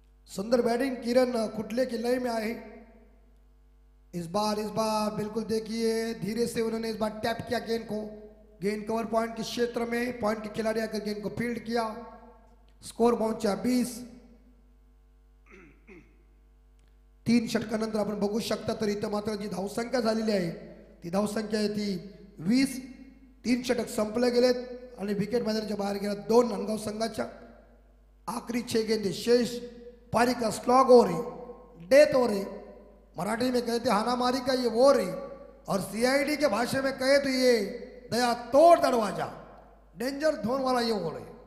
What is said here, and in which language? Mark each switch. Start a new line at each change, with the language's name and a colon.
Hindi: सुंदर बैटिंग किरण खुटले की लय में आए, इस बार बिल्कुल देखिए धीरे से उन्होंने इस बार टैप किया गेंद को, गेंद कवर पॉइंट के क्षेत्र में, पॉइंट के खिलाड़ी आकर गेंद को फील्ड किया, स्कोर पहुंचा 20।
Marathi: 3 षटकानंतर आपण बघू शकता, तरी इथं मात्र जी धावसंख्या झालेली आहे ती धावसंख्या आहे ती 20। 3 षटक संपले गेलेत आणि विकेट मॅनेजरच्या बाहेर गेला 2 नांदगाव संघाच्या,
Hindi: आखरी 6 गेंदे शेष, पारी का स्लॉग हो रही, डेथ हो रही, मराठी में कहते हानामारी का ये वो रही, और CID के भाषा में कहे तो ये दया तोड़ दरवाजा, डेंजर जोन वाला ये बोल रहे,